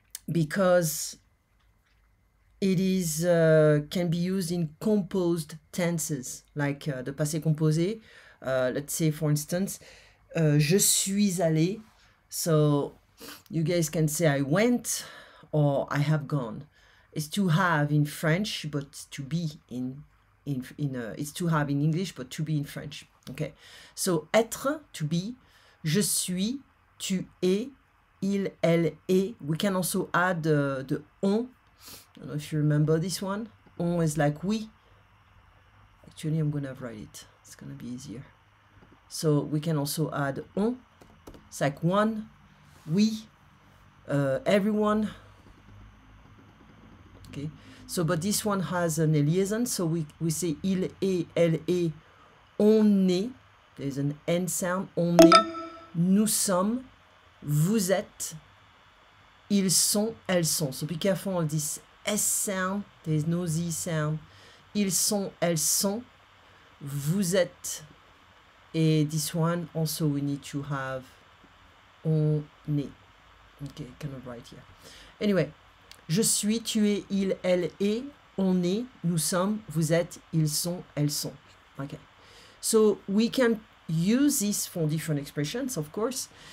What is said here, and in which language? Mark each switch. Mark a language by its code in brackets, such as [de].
[en] Because it is can be used in composed tenses, like the passé composé. Let's say for instance, [fr] je suis allé, [en] so you guys can say I went or I have gone. It's to have in French, but to be it's to have in English, but to be in French. Okay, so [fr] être, [en] to be, [fr] je suis, tu es, il, elle est. [en] We can also add the on. I don't know if you remember this one. On is like oui. Actually, I'm gonna write it. It's gonna be easier. So we can also add on, it's like one, we, everyone. Okay, so but this one has an liaison, so we say [fr] il est, elle est, on est, [en] there's an N sound, [fr] on est, nous sommes, vous êtes, ils sont, elles sont. [en] So be careful of this S sound, there's no Z sound, [fr] ils sont, elles sont, vous êtes. [en] Et this one, also we need to have [fr] on est. [en] Okay, cannot write here. Anyway, [fr] je suis, tu es, il, elle est, on est, nous sommes, vous êtes, ils sont, elles sont. [en] Okay. So we can use this for different expressions, of course.